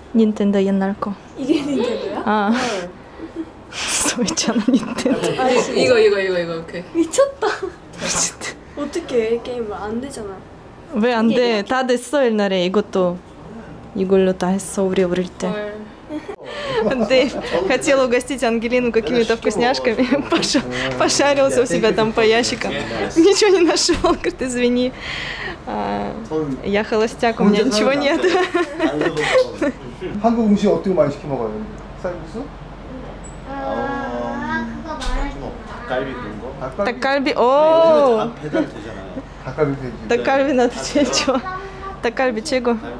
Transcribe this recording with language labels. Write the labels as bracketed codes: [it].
[ko] 닌텐도 옛날 거. 이게 닌텐도야? 아. 써 있잖아, 닌텐도. 아, 이거 오케이. 미쳤다. 진짜. 어떻게 해? 게임 안 되잖아. 왜 안 돼? 다 됐어, 옛날에 이것도. 이걸로 다 했어 우리 어릴 때. [ru] 근데 хотел угостить Ангелину какими-то вкусняшками. Паша пошарился у себя там по ящикам. Ничего не нашел. Говорит, извини. Я холостяк, у меня ничего нет. [ko] 한국 음식 어떻게 많이 시켜 먹어요? 쌀국수? 아, 그거 말해. 닭갈비 그런 거? 닭갈비. 닭갈비. 오. 아니, 배달 되잖아요. 닭갈비 되지. 닭갈비 나도 제일 좋아. 닭갈비 최고.